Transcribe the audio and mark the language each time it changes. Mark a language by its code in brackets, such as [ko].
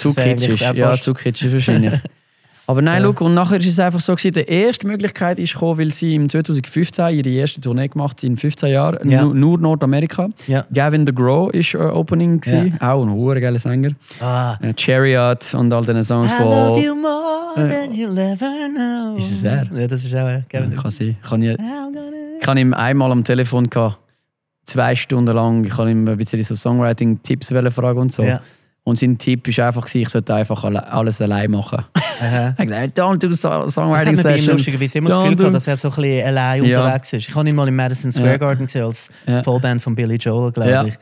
[de] Zu kitschig, ja, zu kitschig wahrscheinlich. Aber nein, ja. Schau, und nachher war es einfach so, die erste Möglichkeit ist gekommen, weil sie im 2015 ihre erste Tournee gemacht hat, in 15 Jahren, ja. Nur Nordamerika. Ja. Gavin DeGraw war Opening, ja. Auch ein verdammt geiler Sänger. Ah. Chariot und all diesen Songs von... [en] I love you more than you'll ever know. [de] Ist es er? Ja, das ist auch Gavin DeGraw. Ja, kann sein. Ich hatte ihn einmal am Telefon, zwei Stunden lang, ich wollte ihm ein bisschen so Songwriting-Tipps fragen und so. Ja. Und sein Tipp war einfach, ich sollte einfach alles allein machen. Uh-huh. Er hat gesagt, [en] don't do songwriting [de] Das hat mir lustigerweise immer das Gefühl gehabt, dass er so ein bisschen allein unterwegs ist. Ich habe ihn mal im Madison Square Garden gesehen, als Vollband von Billy Joel, glaube ich.